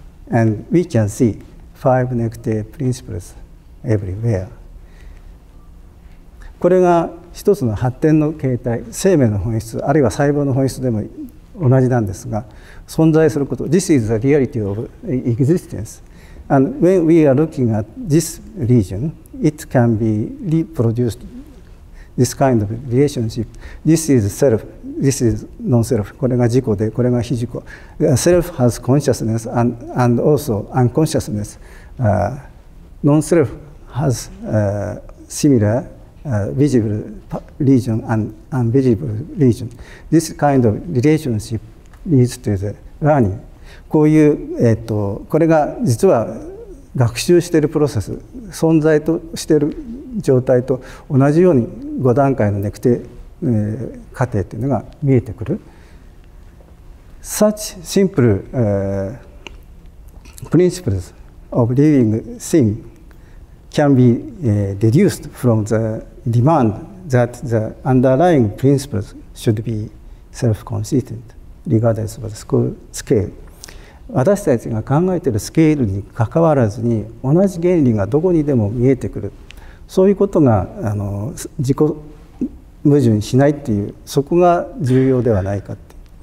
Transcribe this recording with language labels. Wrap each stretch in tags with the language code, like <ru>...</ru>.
<en>And we can see five negative principles everywhere.</en> <ja>これが一つの発展の形態、生命の本質、あるいは細胞の本質でも同じなんですが、存在すること。</ja> <en>This is the reality of existence. And when we are looking at this region, it can be reproduced. This kind of relationship. This is self. This is non-self.</en> <ja>これが自己で、これが非自己。</ja> <en>Self has consciousness and also unconsciousness. Non-self has similar visible region and invisible region. This kind of relationship leads to the learning.</en> <ja>こういう、これが実は学習しているプロセス、存在としている状態と同じように5段階のネクテ、過程というのが見えてくる。</ja> <en>Such simple、principles of living thing can be、deduced from the demand that the underlying principles should be self-consistent regardless of the scale。</en> <ja>私たちが考えているスケールに関わらずに同じ原理がどこにでも見えてくる。そういうことが自己矛盾しないっていう、そこが重要ではないかって。</ja>